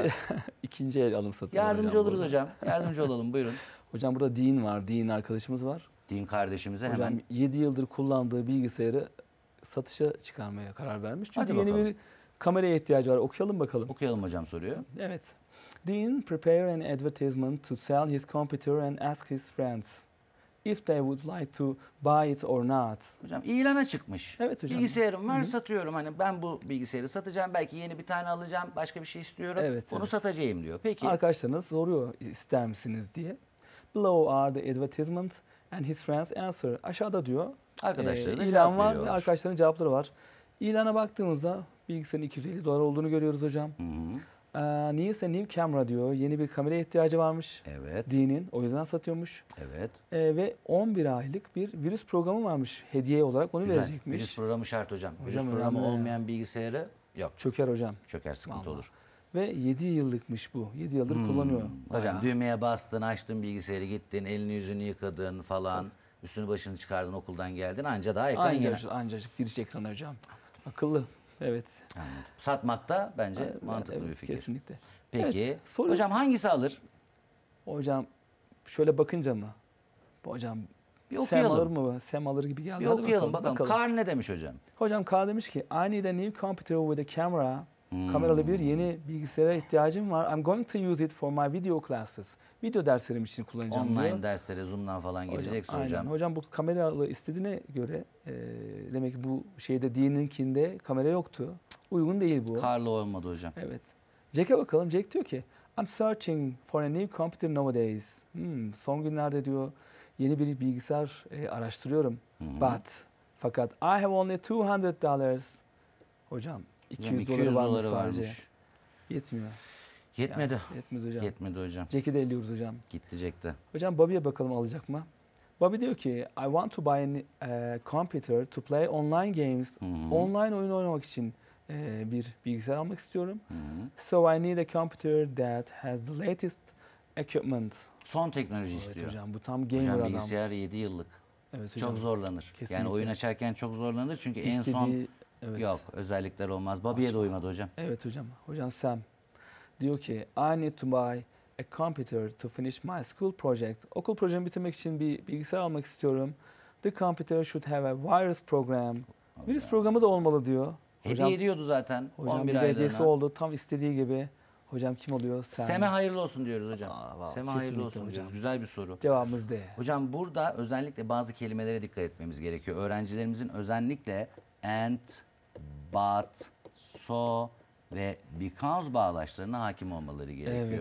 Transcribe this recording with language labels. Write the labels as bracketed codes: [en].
[tr] burada bir ikinci el alım satım. Yardımcı oluruz hocam. Yardımcı olalım buyurun. Hocam burada Dean var. Dean arkadaşımız var. Dean kardeşimize hocam, hemen. Hocam 7 yıldır kullandığı bilgisayarı satışa çıkarmaya karar vermiş. Çünkü hadi yeni bir kameraya ihtiyacı var. Okuyalım bakalım. Okuyalım hocam soruyor. Evet. [en] Dean prepare an advertisement to sell his computer and ask his friends. if they would like to buy it or not. [tr] Hocam ilana çıkmış. Evet hocam. Bilgisayarım var, satıyorum. Hani ben bu bilgisayarı satacağım. Belki yeni bir tane alacağım. Başka bir şey istiyorum. Evet. Onu satacağım diyor. Peki. Arkadaşlarınız soruyor ister misiniz diye. [en] Below are the advertisements and his friends answer. [tr] Aşağıda diyor. Arkadaşları ilan cevap var ve arkadaşların cevapları var. İlana baktığımızda bilgisayarın 250 dolar olduğunu görüyoruz hocam. Niyeyse new camera diyor. Yeni bir kameraya ihtiyacı varmış. Evet. Dean'in. O yüzden satıyormuş. Evet. Ve 11 aylık bir virüs programı varmış. Hediye olarak onu güzel verecekmiş. Virüs programı şart hocam. Hocam virüs programı olmayan bilgisayarı yok. Çöker hocam. Çöker, sıkıntı vallahi olur. Ve 7 yıllıkmış bu. 7 yıldır kullanıyor. Hocam düğmeye bastın, açtın bilgisayarı, gittin, elini yüzünü yıkadın falan. Tabii. Üstünü başını çıkardın, okuldan geldin. Anca daha ekran anca, gelen. Ancacık giriş ekranı hocam. Anladım. Akıllı. Evet. Anladım. Satmak da bence mantıklı evet, bir fikir. Kesinlikle. Peki. Evet, hocam hangisi alır? Hocam şöyle bakınca mı? Hocam bir okuyalım. Sam alır mı? Sam alır gibi geldi. Bir okuyalım, okuyalım bakalım. Carl ne demiş hocam? Hocam Carl demiş ki, [en] I need a new computer with a camera. [tr] Kameralı bir yeni bilgisayara ihtiyacım var. [en] I'm going to use it for my video classes. [tr] Video derslerim için kullanacağım. Online diyor. Derslere Zoom'dan falan girecek hocam, hocam. Hocam bu kameralı istediğine göre demek ki bu şeyde Dean'inkinde kamera yoktu. Uygun değil bu. Karlı olmadı hocam. Evet. Jack'e bakalım. Jack diyor ki, [en] I'm searching for a new computer nowadays. [tr] Son günlerde diyor yeni bir bilgisayar araştırıyorum. Fakat [en] I have only $200. Hocam. [tr] 200 doları varmış. Yetmedi. Yani yetmedi hocam. Yetmedi hocam. Jack'i de eliyoruz hocam. Gitti Jack'te. Hocam Bobby'ye bakalım alacak mı? Bobby diyor ki, [en] I want to buy a computer to play online games. [tr] Online oyun oynamak için bir bilgisayar almak istiyorum. [en] So I need a computer that has the latest equipment. [tr] Son teknoloji evet istiyor. Hocam bu tam gamer hocam, adam. Hocam bilgisayar 7 yıllık. Evet hocam. Çok zorlanır. Kesinlikle. Yani oyun açarken çok zorlanır çünkü hiç en son... Dediği... Evet. Yok, özellikler olmaz. Bobby'ye de uymadı hocam. Evet hocam. Hocam Sam diyor ki, [en] I need to buy a computer to finish my school project. [tr] Okul projemi bitirmek için bir bilgisayar almak istiyorum. [en] The computer should have a virus program. [tr] Hocam. Virüs programı da olmalı diyor. Hediye hocam, ediyordu zaten. Hocam 11 bir hediyesi oldu. Tam istediği gibi. Hocam kim oluyor? Sam. Sam'e hayırlı olsun diyoruz hocam. Sam'e hayırlı olsun hocam. Diyoruz. Güzel bir soru. Cevabımız D. Hocam burada özellikle bazı kelimelere dikkat etmemiz gerekiyor. Öğrencilerimizin özellikle and, but, so ve because bağlaçlarına hakim olmaları gerekiyor.